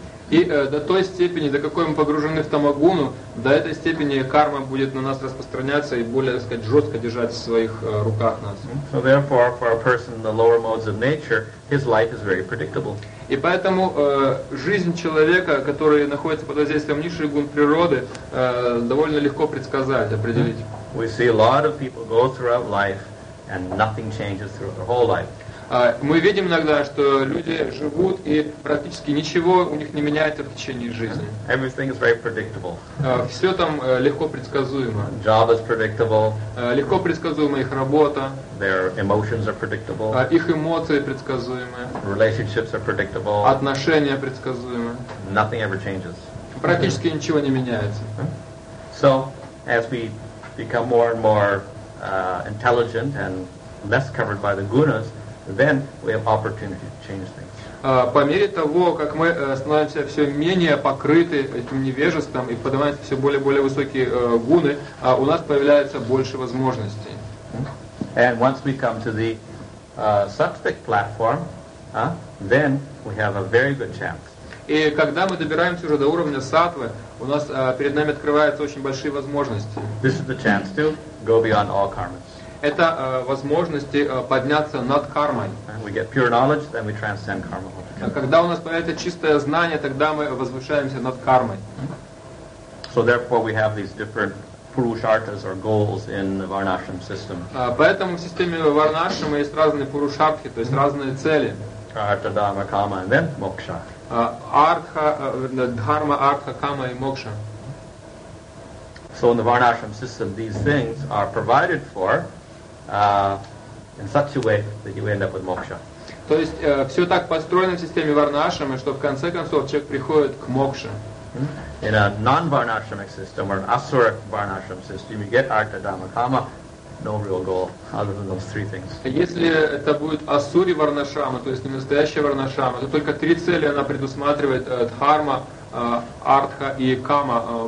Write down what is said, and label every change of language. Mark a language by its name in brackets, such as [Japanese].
[Russian] И до той степени, до какой мы погружены в тамагуну, до этой степени карма будет на нас распространяться и более, так сказать, жестко держать в своих руках нас. [English] So therefore, for a person in the lower modes of nature, his life is very predictable. [Russian] И поэтому жизнь человека, который находится под воздействием низшей гун природы, довольно легко предсказать, определить. [English] We see a lot of people go throughout life, and nothing changes throughout their whole life. [Russian] Мы видим иногда, что люди живут и практически ничего у них не меняется в течение жизни. [English] Everything is very predictable. [Russian] Все там легко предсказуемо. [English] Job is predictable. [Russian] Легко предсказуема их работа. [English] Their emotions are predictable. [Russian] Их эмоции предсказуемы. [English] Relationships are predictable. [Russian] Отношения предсказуемы. [English] Nothing ever changes. [Russian] Практически ничего не меняется. [English] So, as we become more and more intelligent and less covered by the gunas, then we have opportunity to change things. [Russian] По мере того, как мы становимся все менее покрыты этим невежеством и поднимаемся все более и более высокие гуны, у нас появляется больше возможностей. [English] And once we come to the sattvic platform, then we have a very good chance. [Russian] И когда мы добираемся уже до уровня сатвы, у нас перед нами открываются очень большие возможности. [English] This is the chance to go beyond all karmas. [Russian] это возможности подняться над кармой. [English] We get pure knowledge, then we transcend karma. [Russian] Когда у нас появляется чистое знание, тогда мы возвышаемся над кармой. [English] So therefore we have these different purushartas or goals in the Varnashram system. [Russian] Поэтому в системе Варнашрама есть разные пурушартхи, то есть разные цели. [English] Artha, dharma, kama, and then moksha. Dharma, artha, kama, and moksha. So in the Varnashram system, these things are provided for in such a way that you end up with moksha. [Russian] То есть все так построено в системе Варнашрама, что в конце концов человек приходит к мокше. [English] In a non-varnashramic system or an asura varnashram system, you get artha, dharma, kama, no real goal other than those three things. [Russian] Если это будет асури варнашрама, то есть не настоящая варнашрама, то только три цели она предусматривает: дхарма, артха и кама.